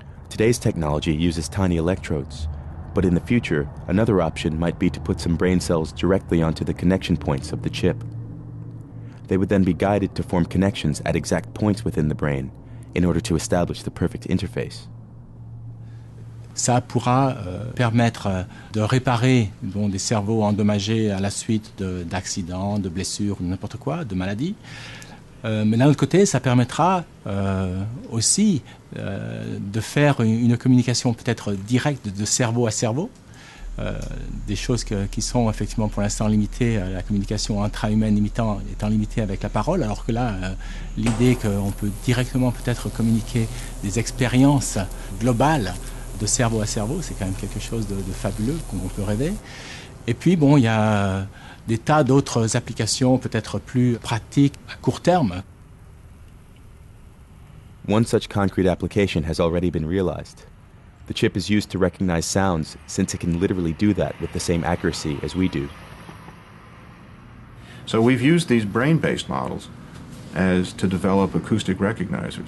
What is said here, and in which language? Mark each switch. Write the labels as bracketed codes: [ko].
[en] Today's technology uses tiny electrodes, but in the future, another option might be to put some brain cells directly onto the connection points of the chip. They would then be guided to form connections at exact points within the brain in order to establish the perfect interface. [fr] Ça pourra permettre de réparer bon, des cerveaux endommagés à la suite d'accidents, de blessures, n'importe quoi, de maladies. Mais d'un autre côté, ça permettra aussi de faire une communication peut-être directe de cerveau à cerveau, des choses qui sont effectivement pour l'instant limitées, la communication intra-humaine étant limitée avec la parole, alors que là, l'idée qu'on peut directement peut-être communiquer des expériences globales de cerveau à cerveau, c'est quand même quelque chose de fabuleux, qu'on peut rêver. Et puis, bon, il y a des tas d'autres applications peut-être plus pratiques à court terme. [en] One such concrete application has already been realized. The chip is used to recognize sounds, since it can literally do that with the same accuracy as we do. So we've used these brain-based models as to develop acoustic recognizers.